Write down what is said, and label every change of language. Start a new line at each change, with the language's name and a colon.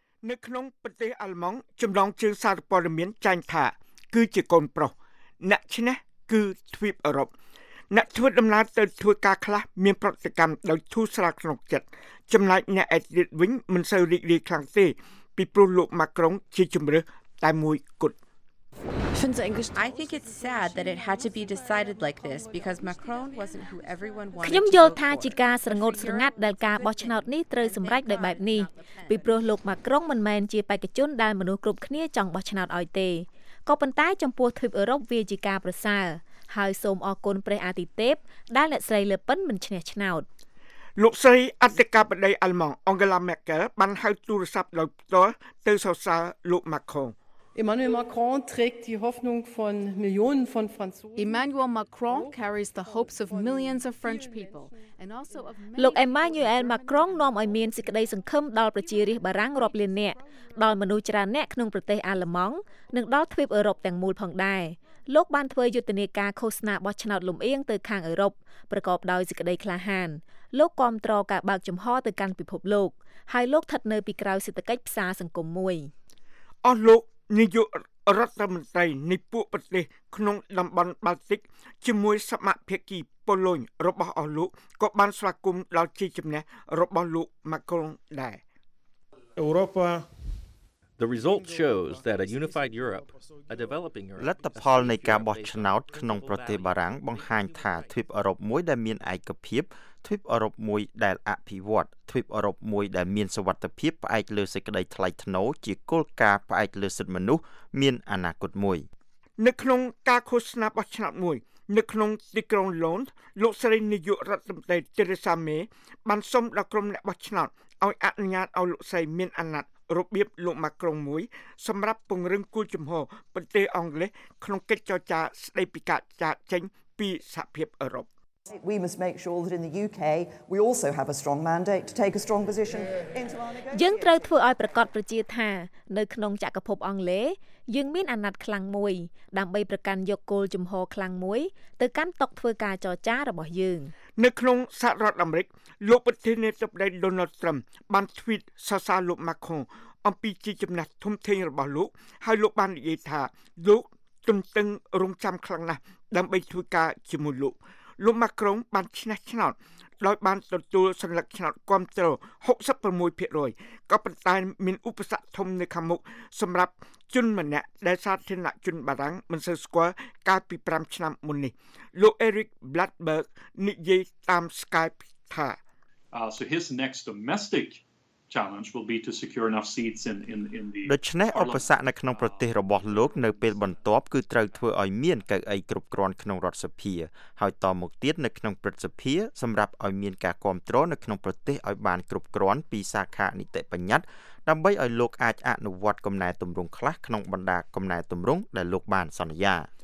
Khmer: នៅក្នុងប្រទេសអាល្លឺម៉ង់ចំណងជើងសារព័ត៌មានចែងថាគឺជាកូនប្រុសអ្នកឈ្នះគឺទ្វីបអឺរ៉ុបអ្នកធ្វើដំណើរទៅធ្វើការខ្លះមានប្រតិកម្មដោយធូរស្រាលក្នុងចិត្តចំណែកអ្នកអេតឌីតវិញមិនសូវរីករាយខ្លាំងទេពីព្រោះលោកម៉ាក្រុងជាជំរើសតែមួយគត់
English: I think it's sad that it had to be decided like this because Macron wasn't who everyone wanted to vote for.
Khmer: ខ្ញុំយល់ថាជាការស្រងូតស្រងាត់ដែលការបោះឆ្នោតនេះត្រូវសម្រេចដោយបែបនេះពីព្រោះលោក Macron មិនមែនជាបេក្ខជនដែលមនុស្សគ្រប់គ្នាចង់បោះឆ្នោតឲ្យទេក៏ប៉ុន្តែចំពោះទ្វីបអឺរ៉ុបវាជាការប្រសើរហើយសូមអរគុណព្រះអាទិទេពដែលអ្នកស្រីលឺប៉ិនមិនឈ្នះឆ្នោត លោកស្រីអតិកាបតីអាល្លឺម៉ង់ Angela Merkel បានហៅទូរស័ព្ទដោយផ្ទាល់ទៅសរសើរលោក Macron
English: Emmanuel Macron carries the hopes of millions of French people and also of many
Khmer: លោក Emmanuel Macron នាំឲ្យមានសេចក្តីសង្ឃឹមដល់ប្រជារាស្ត្របារាំងរាប់លាននាក់ដល់មនុស្សច្រើនអ្នកក្នុងប្រទេសអាល្លឺម៉ង់និងដល់ទ្វីបអឺរ៉ុបទាំងមូលផងដែរលោកបានធ្វើយុទ្ធនាការឃោសនាបោះឆ្នោតលំអៀងទៅខាងអឺរ៉ុបប្រកបដោយសេចក្តីក្លាហានលោកគាំទ្រការបើកចំហទៅកាន់ពិភពលោកហើយលោកថិតនៅពីក្រោយសេដ្ឋកិច្ចផ្សារសង្គមមួយ អស់លោកនាយករដ្ឋមន្ត្រីនៃពួកប្រទេសក្នុងតំបន់បាល់ទិកជាមួយសមាភិកីប៉ូឡូញរបស់អស់លោកក៏បានស្វាគមន៍ដល់ជ័យជំនះរបស់លោកម៉ាក្រុងដែរ អឺរ៉ុប
English: The result shows that a unified Europe, a developing Europe.
Khmer: លទ្ធផលនៃការបោះឆ្នោតក្នុងប្រទេសបារាំងបង្ហាញថាទ្វីបអឺរ៉ុបមួយដែលមានឯកភាពទ្វីបអឺរ៉ុបមួយដែលអភិវឌ្ឍទ្វីបអឺរ៉ុបមួយដែលមានសវត្ថភាពផ្អែកលើសេចក្តីថ្លៃថ្នូរជាគោលការណ៍ផ្អែកលើសិទ្ធិមនុស្សមានអនាគតមួយ នៅក្នុងការឃោសនាបោះឆ្នោតមួយនៅក្នុងទីក្រុងឡូនលោកស្រីនាយករដ្ឋមន្ត្រីទេរេសាមេបានសុំដល់ក្រុមអ្នកបោះឆ្នោតឲ្យអនុញ្ញាតឲ្យលោកស្រីមានអំណាចរបៀបលោកម៉ាក្រុងមួយសម្រាប់ពង្រឹងគូលចំហប្រទេសអង់គ្លេសក្នុងកិច្ចចរចាស្ដីពីការចាកចេញពីសហភាពអឺរ៉ុប
English: We must make sure that in the UK we also have a strong mandate to take a strong position into our negotiations.
Khmer: យើងត្រូវធ្វើឲ្យប្រកាសប្រជាថានៅក្នុងចក្រភពអង់គ្លេសយើងមានអាណត្តិខ្លាំងមួយដើម្បីប្រកាន់យកគោលជំហរខ្លាំងមួយទៅកាន់តុកធ្វើការចរចារបស់យើង នៅក្នុងសហរដ្ឋអាមេរិកលោកប្រធានាធិបតី Donald Trump បាន tweet សរសើរលោក Macron អំពីជ័យជំនះធំធេងរបស់លោកហើយលោកបាននិយាយថាលោកទន្ទឹងរង់ចាំខ្លាំងណាស់ដើម្បីធ្វើការជាមួយលោកលោកម៉ាក្រុងបានឈ្នះឆ្នោតដោយបានទទួលសញ្ញាឆ្នោតគាំទ្រ 66% ក៏ប៉ុន្តែមានឧបសគ្គធំនៅខាងមុខសម្រាប់ជនម្នាក់ដែលសាធារណជនបារាំងមិនសូវស្គាល់កាលពី5ឆ្នាំមុននេះលោក Eric Bloodberg និយាយតាម Skype ថា
English: So his next domesticchallenge will be to secure enough seats in the
Khmer: ដូច្នេះឧបសគ្គនៅក្នុងប្រទេសរបស់លោកនៅពេលបន្ទាប់គឺត្រូវធ្វើឲ្យមានកៅអីគ្រប់គ្រាន់ក្នុងរដ្ឋសភាហើយតមកទៀតនៅក្នុងព្រឹទ្ធសភាសម្រាប់ឲ្យមានការគ្រប់គ្រងនៅក្នុងប្រទេសឲ្យបានគ្រប់គ្រាន់ពីសាខានីតិបញ្ញត្តិដើម្បីឲ្យលោកអាចអនុវត្តកំណែទម្រង់ខ្លះក្នុងបណ្ដាកំណែទម្រង់ដែលលោកបានសន្យា